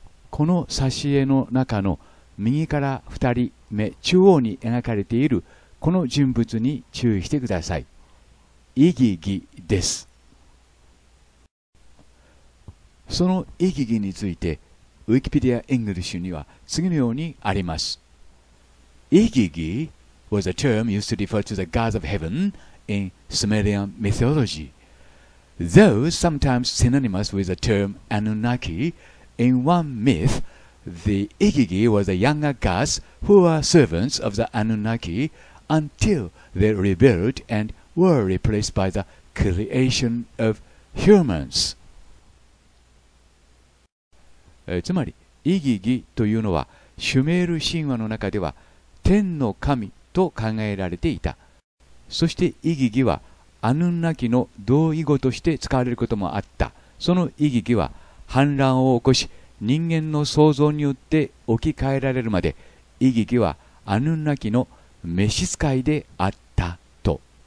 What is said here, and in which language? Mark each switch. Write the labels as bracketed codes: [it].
[ja] この挿絵の中の右から2人目中央に描かれているこの人物に注意してください。イギギです。そのイギギについてウィキペディア・イングリッシュには次のようにあります。 [en] イギギ was a term used to refer to the gods of heaven in Sumerian mythology, though sometimes synonymous with the term Anunnaki. In one myth, the Igigi was the younger gods who were servants of the Anunnaki until they rebelled and were replaced by the creation of humans. [ja] つまり、イギギというのはシュメール神話の中では天の神と考えられていた。そしてイギギはアヌンナキの同意語として使われることもあった。そのイギギは反乱を起こし、人間の創造によって置き換えられるまでイギギはアヌンナキの召使いであったと。